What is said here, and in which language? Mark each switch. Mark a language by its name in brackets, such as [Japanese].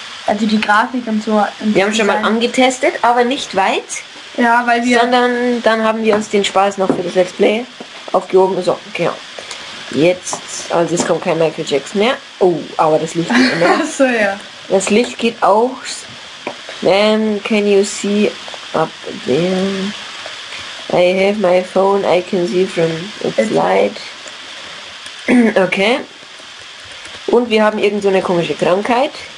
[German] Also die Grafik und so. Und wir haben schon mal angetestet, aber nicht weit. Ja, weil wir... Sondern dann haben wir uns den Spaß noch für das Let's Play aufgehoben. So, genau. Jetzt, also es kommt kein Michael Jackson mehr. Oh, aber das Licht geht immer. Achso, ja. Das Licht geht auch. [English] Man, can you see up there? I have my phone, I can see from its light. Okay. [German] Und wir haben irgend so eine komische Krankheit.